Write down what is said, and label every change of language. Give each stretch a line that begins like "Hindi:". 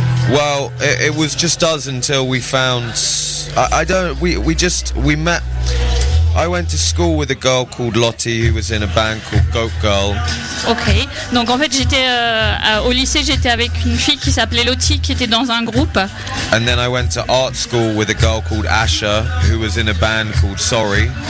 English: Well, it was just us until we found. I don't. We met. I went to school with a girl called Lottie who was in a band called Goat Girl.
French: Ok, donc en fait j'étais au lycée, j'étais avec une fille qui s'appelait Lottie qui était dans un groupe.
English: And then I went to art school with a girl called Asha who was in a band called Sorry.